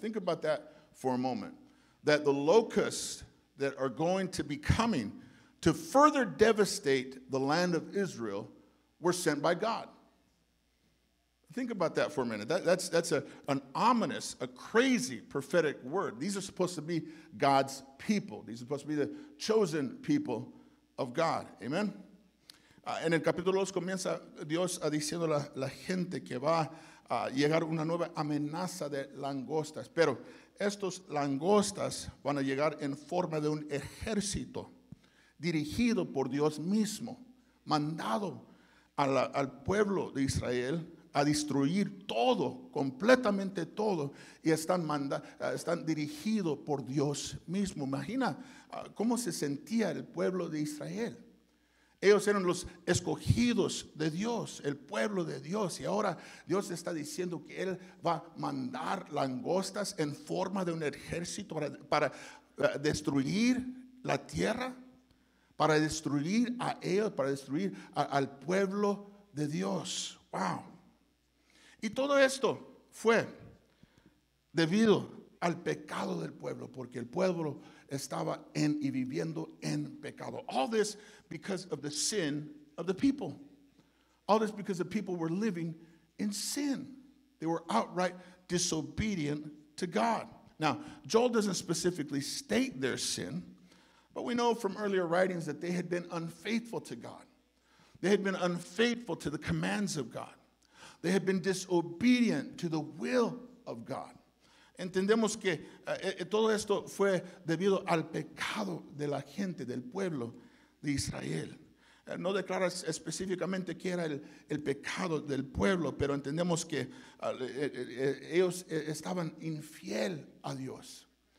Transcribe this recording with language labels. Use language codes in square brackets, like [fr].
[en] Think about that for a moment. That the locusts that are going to be coming to further devastate the land of Israel were sent by God. Think about that for a minute. That's an ominous, a crazy prophetic word. These are supposed to be God's people. These are supposed to be the chosen people of God. Amen? [es] En el capítulo 2 comienza Dios a diciendo a la gente que va a llegar una nueva amenaza de langostas. Pero estos langostas van a llegar en forma de un ejército dirigido por Dios mismo, mandado al pueblo de Israel a destruir todo, completamente todo, y están dirigidos por Dios mismo. Imagina cómo se sentía el pueblo de Israel. Ellos eran los escogidos de Dios, el pueblo de Dios, y ahora Dios está diciendo que Él va a mandar langostas en forma de un ejército para destruir la tierra, para destruir a ellos, para destruir al pueblo de Dios. ¡Wow! Y todo esto fue debido al pecado del pueblo, porque el pueblo estaba en y viviendo en pecado. [en] All this because of the sin of the people. All this because the people were living in sin. They were outright disobedient to God. Now, Joel doesn't specifically state their sin, but we know from earlier writings that they had been unfaithful to God. They had been unfaithful to the commands of God. They had been disobedient to the will of God. [es] Entendemos que todo esto fue debido al pecado de la gente, del pueblo de Israel. No declara específicamente qué era el pecado del pueblo, pero entendemos que ellos estaban infiel a Dios.